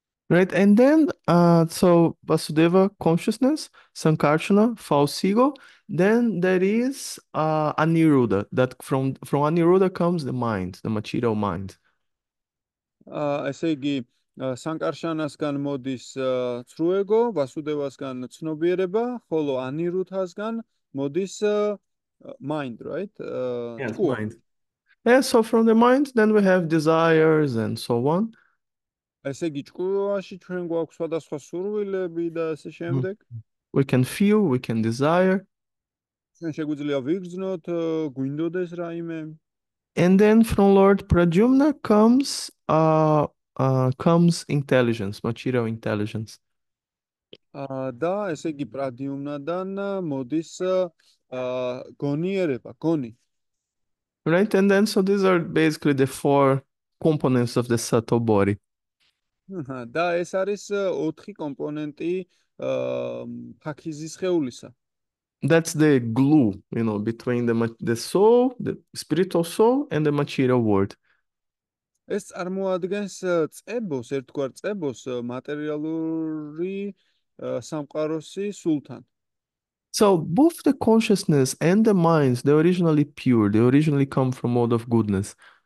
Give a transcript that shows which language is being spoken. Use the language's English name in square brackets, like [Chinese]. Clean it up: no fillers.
[English] Right, and then so Vasudeva consciousness, Sankarsana, false ego, then there is Aniruddha, that from Aniruddha comes the mind, the material mind. [Georgian] ესე იგი სანკარშანასგან მოდის ცრუ ეგო, ვასუდევასგან ცნობიერება, ხოლო ანირუთასგან მოდის [English] mind, right? Yes, [Georgian] ჩკუა. [English] mind. Yeah, so from the mind, then we have desires and so on. [Georgian] ესე იგი ჩკუაში ჩვენ გვაქვს სხვადასხვა სურვილები და ასე შემდეგ. [English] We can feel, we can desire. [Georgian] ჩვენ შეგვიძლია ვიგრძნოთ, გვინდოდეს რაიმე. [English] And then from Lord Pradyumna comes comes intelligence, material intelligence. [Georgian] და ესე იგი პრადიუმნადან მოდის გონიერება, გონი. [English] Right, and then so these are basically the four components of the subtle body. [Georgian] და ეს არის ოთხი კომპონენტი ფაქიზის ხეულისა. [English] That's the glue, between the soul, the spiritual soul, and the material world. [Georgian] ეს წარმოადგენს წებოს, ერთგვარ წებოს მატერიალური სამყაროსი სულთან. [English] So both the consciousness and the minds, they're originally pure, they originally come from mode of goodness.